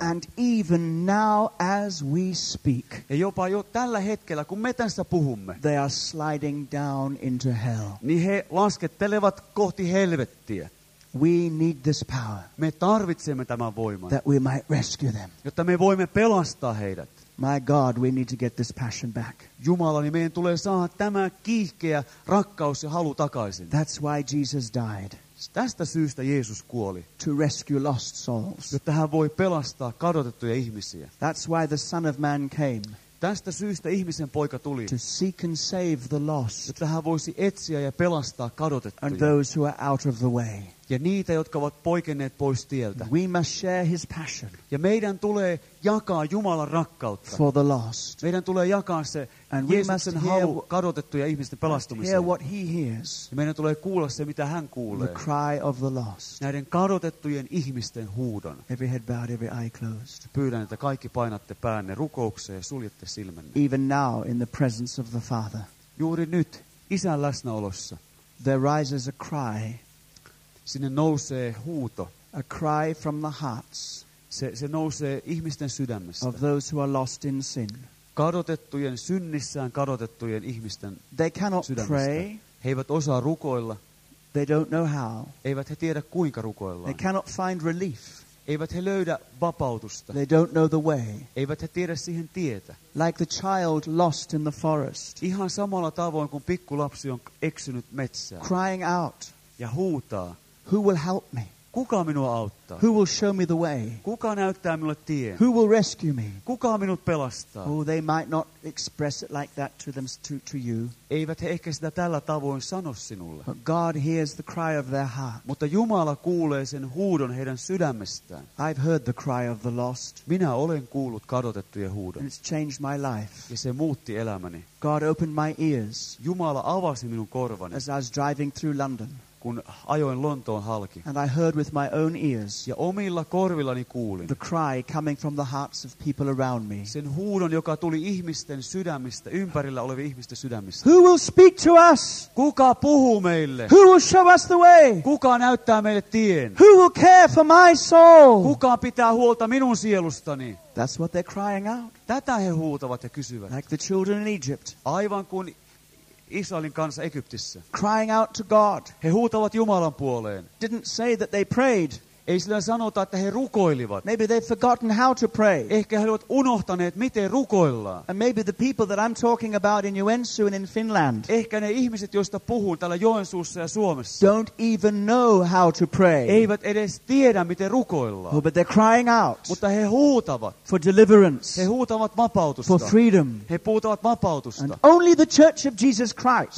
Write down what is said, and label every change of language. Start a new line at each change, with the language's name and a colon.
English: And even now as we speak.
Finnish: Ja jopa jo tällä hetkellä, kun me tässä puhumme.
English: They are sliding down into hell.
Finnish: Niin he laskettelevat kohti helvettiä.
English: We need this power.
Finnish: Me tarvitsemme tämän voiman.
English: That we might rescue them.
Finnish: Jotta me voimme pelastaa heidät.
English: My God, we need to get this passion back.
Finnish: Jumalani, meidän tulee saada tämä kiihkeä rakkaus ja halu takaisin.
English: That's why Jesus died.
Finnish: Tästä syystä Jeesus kuoli.
English: To rescue lost souls.
Finnish: Jotta hän voi pelastaa kadotettuja ihmisiä.
English: That's why the Son of Man came.
Finnish: Tästä syystä ihmisen poika tuli.
English: To seek and save the lost.
Finnish: Jotta hän voisi etsiä ja pelastaa kadotettuja.
English: And those who are out of the way.
Finnish: ja niitä, jotka ovat poikenneet pois tieltä.
English: We must share his passion.
Finnish: Ja meidän tulee jakaa Jumalan rakkautta.
English: For the lost.
Finnish: Meidän tulee jakaa se Jeesuksen halu kadotettuja ihmisten pelastumiseen.
English: Hear what he hears.
Finnish: Ja meidän tulee kuulla se, mitä hän kuulee.
English: The cry of the lost.
Finnish: Näiden kadotettujen ihmisten huudon.
English: Every head bowed, every eye closed.
Finnish: Pyydän, että kaikki painatte päänne rukoukseen ja suljette silmänne.
English: Even now in the presence of the Father.
Finnish: Juuri nyt Isän läsnäolossa.
English: There rises a cry.
Finnish: Sinne nousee huuto.
English: A cry from the hearts.
Finnish: Se nousee ihmisten sydämestä.
English: Of those who are lost in sin.
Finnish: Kadotettujen synnissään kadotettujen ihmisten.
English: They cannot
Finnish: sydämestä.
English: Pray.
Finnish: He eivät osaa rukoilla.
English: They don't know how.
Finnish: Eivät he tiedä kuinka rukoillaan.
English: They cannot find relief.
Finnish: Eivät he löydä vapautusta.
English: They don't know the way.
Finnish: Eivät he tiedä siihen tietä.
English: Like the child lost in the forest.
Finnish: Ihan samalla tavoin kuin pikkulapsi on eksynyt metsään.
English: Crying out.
Finnish: Ja huutaa.
English: Who will help me?
Finnish: Kuka minua auttaa?
English: Who will show me the way?
Finnish: Kuka näyttää minulle tien?
English: Who will rescue me?
Finnish: Kuka minut pelastaa?
English: Oh, they might not express it like that to them to you.
Finnish: Eivät he ehkä sitä tällä tavoin sano sinulle.
English: But God hears the cry of their heart.
Finnish: Mutta Jumala kuulee sen huudon heidän sydämestään.
English: I've heard the cry of the lost.
Finnish: Minä olen kuullut kadotettujen huudon.
English: And it's changed my life.
Finnish: Ja se muutti elämäni.
English: God opened my ears.
Finnish: Jumala avasi minun korvani.
English: As I was driving through London.
Finnish: Kun ajoin Lontoon halki.
English: And I heard with my own ears.
Finnish: Ja omilla korvillani kuulin.
English: The cry coming from the hearts of people around me.
Finnish: Sen huudon, joka tuli ihmisten sydämistä, ympärillä olevien ihmisten sydämistä.
English: Who will speak to us?
Finnish: Kuka puhuu meille?
English: Who will show us the way?
Finnish: Kuka näyttää meille tien?
English: Who will care for my soul?
Finnish: Kuka pitää huolta minun sielustani?
English: That's what they're crying out.
Finnish: Tätä he huutavat ja kysyvät.
English: Like the children in Egypt.
Finnish: Aivan kuin Israelin kansa Egyptissä.
English: Crying out to God.
Finnish: He huutavat Jumalan puoleen.
English: Didn't say that they prayed.
Finnish: Ei sillä sanota, että he rukoilivat.
English: Maybe they've forgotten how to pray.
Finnish: Ehkä he ovat unohtaneet, miten rukoillaan.
English: And maybe the people that I'm talking about in Joensuu and in Finland.
Finnish: Ehkä ne ihmiset, joista puhun täällä Joensuussa ja Suomessa.
English: Don't even know how to pray.
Finnish: Eivät edes tiedä, miten rukoillaan.
English: Oh, but they're crying out.
Finnish: Mutta he huutavat.
English: For deliverance.
Finnish: He huutavat vapautusta.
English: For freedom.
Finnish: He huutavat vapautusta.
English: And only the Church of Jesus Christ.